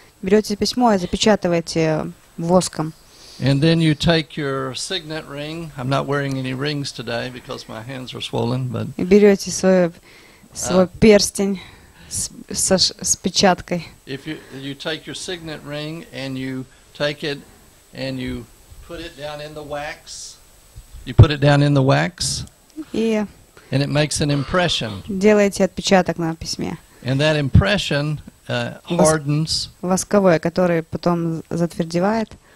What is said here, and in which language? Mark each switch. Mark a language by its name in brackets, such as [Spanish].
[Russian] Берете письмо и запечатываете воском. [English] And then you take your signet ring. I'm not wearing any rings today because my hands are swollen, but. [Russian] И берете свой перстень. С печаткой. [English] If you take your signet ring and you take it and you put it down in the wax, and it makes an impression. [Russian] Делаете отпечаток на письме. [English] And that impression hardens. [Russian] Восковое, которое потом затвердевает.